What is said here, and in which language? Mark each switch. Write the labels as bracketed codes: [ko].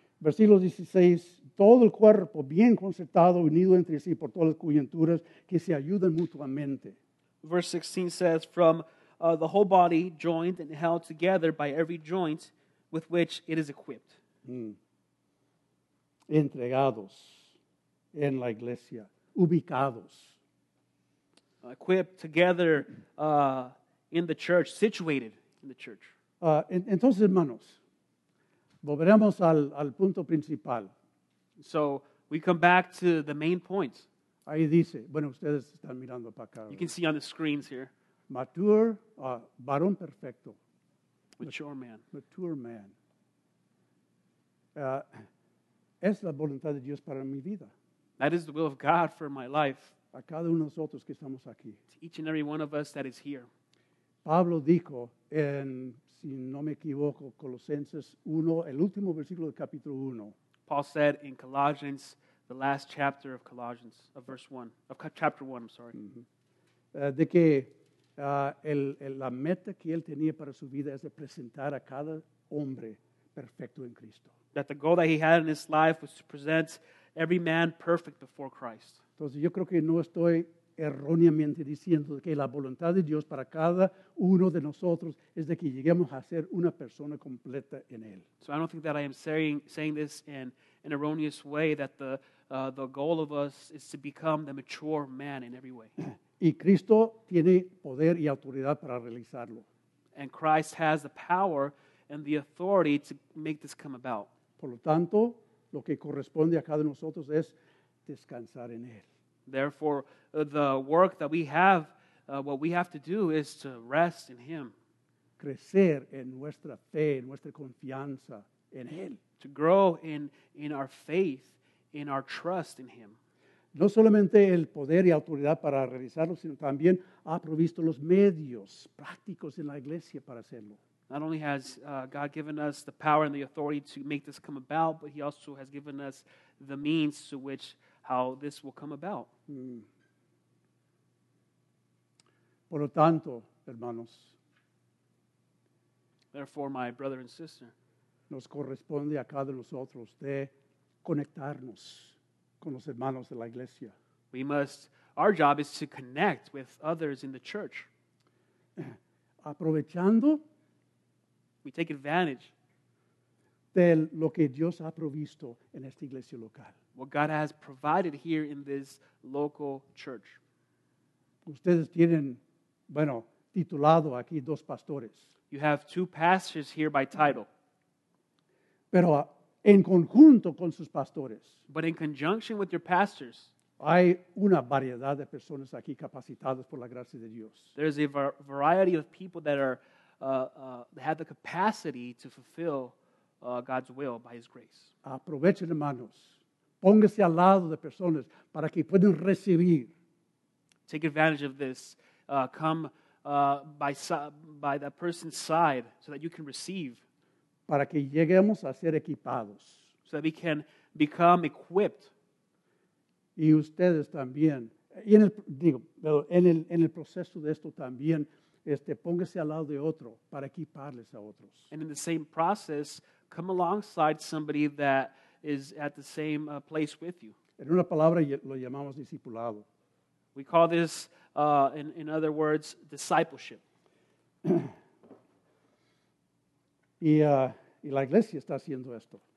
[es] Versículo 16, todo el cuerpo bien concertado, unido entre sí por todas las coyunturas, que se ayudan mutuamente. [en] Verse 16 says, from the whole body joined and held together by every joint with which it is equipped. [es] Entregados en la iglesia, ubicados. [en] Equipped together in the church, situated in the church. [es] Entonces, hermanos, volveremos al punto principal. [en] So we come back to the main point. [es] Ahí dice, bueno, ustedes están mirando para acá. [en] You can see on the screens here. [es] Mature, varón perfecto. [en] Mature man. Mature man. [es] Es la voluntad de Dios para mi vida. [en] That is the will of God for my life. [es] A cada uno de nosotros que estamos aquí. [en] To each and every one of us that is here. [es] Pablo dijo en, si no me equivoco, Colosenses 1, el último versículo del capítulo 1. [en] Paul said in Colossians, the last chapter of Colossians, of verse 1, of chapter 1, I'm sorry. Mm-hmm. [es] De que la meta que él tenía para su vida es de presentar a cada hombre perfecto en Cristo. [en] That the goal that he had in his life was to present every man perfect before Christ. [es] Entonces yo creo que no estoy erróneamente diciendo que la voluntad de Dios para cada uno de nosotros es de que lleguemos a ser una persona completa en él. [en] So I don't think that I am saying this in an erroneous way, that the goal of us is to become the mature man in every way. [es] Y Cristo tiene poder y autoridad para realizarlo. [en] And Christ has the power and the authority to make this come about. [es] Por lo tanto, lo que corresponde a cada nosotros es descansar en él. [en] Therefore, the work that we have, what we have to do is to rest in him. [es] Crecer en nuestra fe, en nuestra confianza en él. [en] To grow in our faith, in our trust in him. [es] No solamente el poder y autoridad para realizarlo, sino también ha provisto los medios prácticos en la iglesia para hacerlo. [en] Not only has God given us the power and the authority to make this come about, but he also has given us the means to which how this will come about. [es] Por lo tanto, hermanos, [en] therefore, my brother and sister, [es] nos corresponde a cada nosotros de conectarnos con los hermanos de la iglesia. [en] We must, our job is to connect with others in the church. [es] Aprovechando. [en] We take advantage [es] de lo que Dios ha provisto en esta iglesia local. [en] What God has provided here in this local church. [es] Ustedes tienen, bueno, titulado aquí dos pastores. [en] You have two pastors here by title. [es] Pero en conjunto con sus pastores. [en] But in conjunction with your pastors. [es] Hay una variedad de personas aquí capacitadas por la gracia de Dios. [en] There's a variety of people that are have the capacity to fulfill God's will by His grace. [es] Aprovechen, hermanos. Póngase al lado de personas para que puedan recibir. [en] Take advantage of this. Come by that person's side so that you can receive. [es] Para que lleguemos a ser equipados. [en] So that we can become equipped. [es] Y ustedes también. Y en el, digo, en el proceso de esto también, póngase al lado de otro para equiparles a otros. [en] And in the same process, come alongside somebody that is at the same place with you. [es] En una palabra, lo llamamos discipulado. [en] We call this, in other words, discipleship. [es] Y la iglesia está haciendo esto.